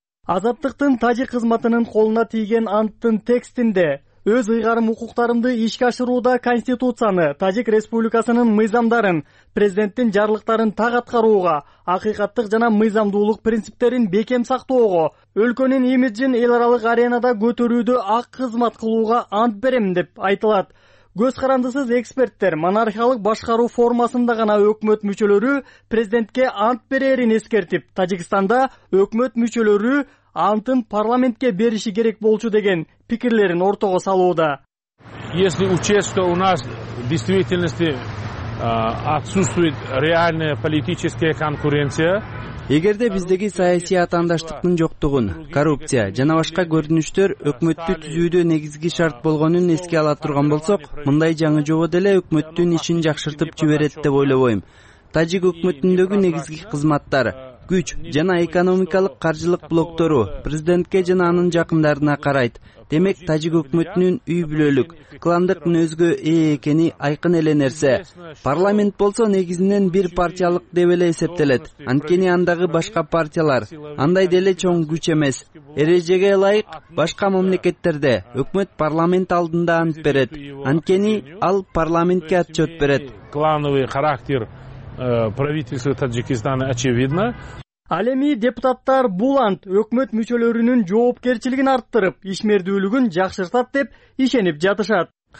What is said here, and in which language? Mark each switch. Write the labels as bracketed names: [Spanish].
[Kyrgyz] Азаттыктын тажик кызматынын колуна тийген анттын текстинде өз ыйгарым укуктарымды ишке ашырууда Конституцияны, Тажик Республикасынын мыйзамдарын, президенттин жарлыктарын так аткарууга, акыйкаттык жана мыйзамдуулук принциптерин бекем сактоого, өлкөнүн имиджин эл аралык аренада көтөрүүдө ак кызмат кылууга ант берем деп айтылат. Көз карандысыз эксперттер монархиялык башкаруу формасында гана өкмөт мүчөлөрү президентке ант берерин эскертип, Тажикстанда өкмөт мүчөлөрү антын парламентке бериши керек болчу деген пикирлерин ортого салууда. [Russian] Если учесть, что у нас в действительности отсутствует реальная политическая конкуренция, [Kyrgyz] эгерде биздеги саясий атаандаштыктын жоктугун, коррупция жана башка көрүнүштөр өкмөттү түзүүдө негизги шарт болгонун эске ала турган болсок, мындай жаңы жобо деле өкмөттүн ишин жакшыртып жиберет деп ойлобойм. Тажик өкмөтүндөгү негизги кызматтар күч жана экономикалык каржылык блоктору президентке жана анын жакындарына карайт. Демек тажик өкмөтүнүн үй бүлөлүк, кландык мүнөзгө ээ экени айкын эле нерсе. Парламент болсо негизинен бир партиялык деп эле эсептелет. Анткени андагы башка партиялар андай деле чоң күч эмес. Эрежеге ылайык башка мамлекеттерде өкмөт парламент алдында ант берет. Анткени ал парламентке отчет берет. [Russian] Клановый характер правительство Таджикистана очевидно. [Kyrgyz] Ал эми депутаттар бул ант өкмөт мүчөлөрүнүн жоопкерчилигин арттырып, ишмердүүлүгүн жакшыртат деп ишенип жатышат.